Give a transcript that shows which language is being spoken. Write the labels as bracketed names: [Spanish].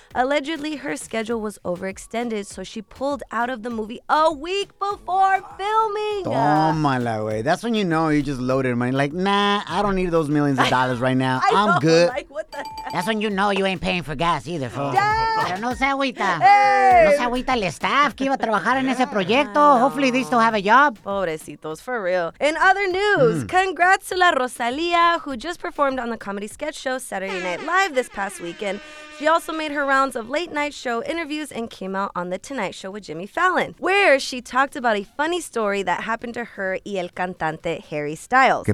[English] Allegedly, her schedule was overextended, so she pulled out of the movie a week before filming. [Spanish] Tómala, güey. [English] That's when you know you just loaded money. Like, nah, I don't need those millions of dollars right now. I'm good. Like, what the heck? That's when you know you ain't paying for gas either, fool. Yeah. [Spanish] Pero no se agüita. [English] Hey. [Spanish] No se agüita el staff que iba a trabajar en ese proyecto. [English] Hopefully, they still have a job. Pobrecitos, for real. In other news, congrats to La Rosalía, who just performed on the comedy sketch show Saturday Night Live this past weekend. She also made her rounds of late night show interviews and came out on The Tonight Show with Jimmy Fallon, where she talked about a funny story that happened to her y el cantante Harry Styles.